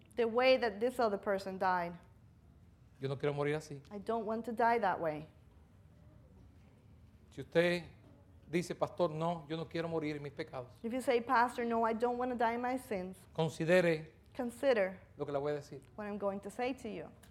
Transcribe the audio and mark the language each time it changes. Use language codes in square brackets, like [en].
[en] The way that this other person died. [es] Yo no quiero morir así. [en] I don't want to die that way. [es] Si usted dice, pastor, no, yo no quiero morir en mis pecados. [en] If you say, pastor, no, I don't want to die in my sins. [es] Considere. [en] Consider. [es] Lo que le voy a decir. [en] What I'm going to say to you.